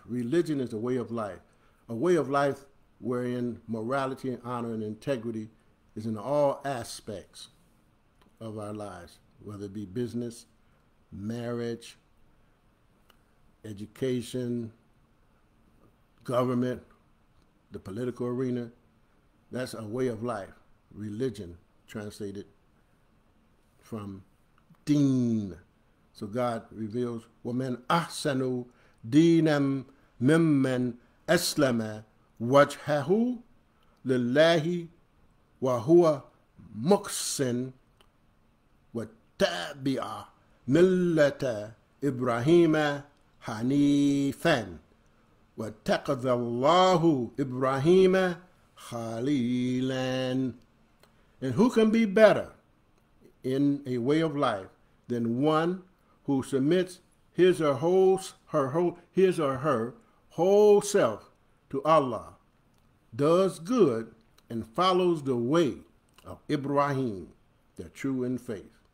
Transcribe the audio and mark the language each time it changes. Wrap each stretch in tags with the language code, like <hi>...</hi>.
<en>Religion is a way of life. A way of life wherein morality and honor and integrity is in all aspects of our lives, whether it be business, marriage, education, government, the political arena. That's a way of life, religion translated from deen. So God reveals,</en> <ar>وَمَنْ أَحْسَنُوا دِينًا مِمَّنْ أَسْلَمَ وَجْهَهُ لِلَّهِ وَهُوَ مُقْسِنْ وَتَّابِعَ مِلَّةَ إِبْرَاهِيمَ حَنِيفًا وَتَّخَذَ اللَّهُ إِبْرَاهِيمَ خَلِيلًا.</ar> <en>And who can be better in a way of life than one who submits his or her whole self to Allah, does good, and follows the way of Ibrahim, the true in faith.</en>